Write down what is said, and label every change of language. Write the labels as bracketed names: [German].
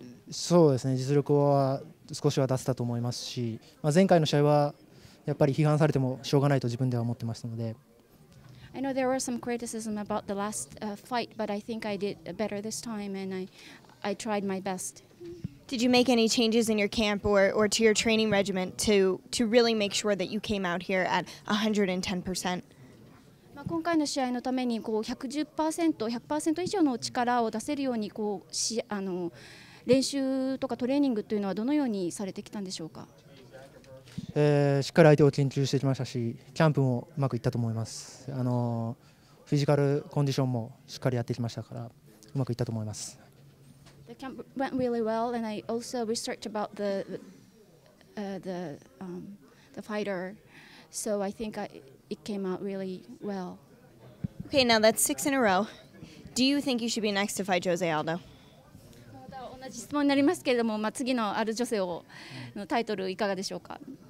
[Japanese] そうですね、実力は少しは出せたと思いますし、前回の試合はやっぱり批判されてもしょうがないと自分では思ってましたので。 [English] I know there were some criticism about the last fight, but I think I did better this time and I tried my best. Did you make any changes in your camp or to your training regimen to really make sure that you came out here at 110%? [Japanese] 今回の試合のためにこう 110%、100% 以上の力を出せるようにこう練習とかトレーニングというのはどのようにされてきたんでしょうか。しっかり相手を研究してきましたし、キャンプもうまくいったと思います。フィジカルコンディションもしっかりやってきましたから、うまくいったと思います。 [English] The camp went really well, and I also researched about the fighter, so I think it came out really well. Okay, now that's six in a row. Do you think you should be next to fight Jose Aldo? [Japanese] また同じ質問になりますけれども、次のアルジョセのタイトルいかがでしょうか。